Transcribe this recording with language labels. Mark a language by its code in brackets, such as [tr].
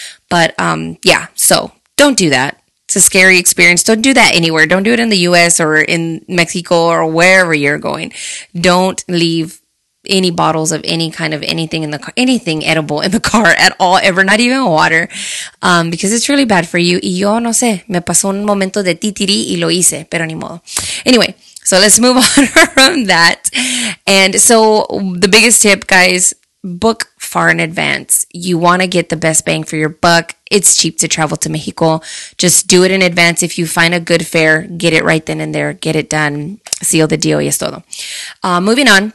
[en] But yeah, so don't do that. It's a scary experience. Don't do that anywhere. Don't do it in the U.S. or in Mexico or wherever you're going. Don't leave any bottles of any kind of anything in the car, anything edible in the car at all, ever, not even water, because it's really bad for you. [es] Y yo no sé, me pasó un momento de titiri y lo hice, pero ni modo. [en] Anyway, so let's move on from that. And so the biggest tip, guys, book far in advance. You want to get the best bang for your buck. It's cheap to travel to Mexico. Just do it in advance. If you find a good fare, get it right then and there. Get it done. Seal the deal. Yes, todo. Moving on.